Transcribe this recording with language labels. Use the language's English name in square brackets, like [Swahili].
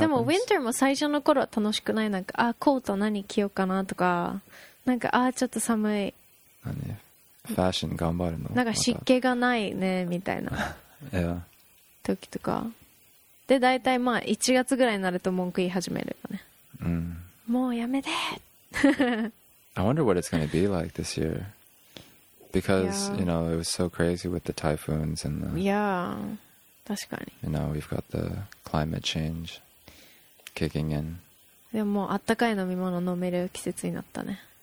[Japanese] でも winter も最初の頃は楽しくない。なんかあーコート何着ようかなとか、なんかあーちょっと寒い。何？ファッション頑張るの？なんか湿気がないねみたいな。 [English] yeah. [Japanese] 時とか。で大体まあ1月ぐらいになると文句言い始めるよね。もうやめて。 [English] I wonder what it's going to be like this year. Because,、yeah. you know, it was so crazy with the typhoons and the... [Japanese] Yeah, 確かに。 [English] You know, we've got the climate change kicking in. [Japanese] でももうあったかい飲み物飲める季節になったね。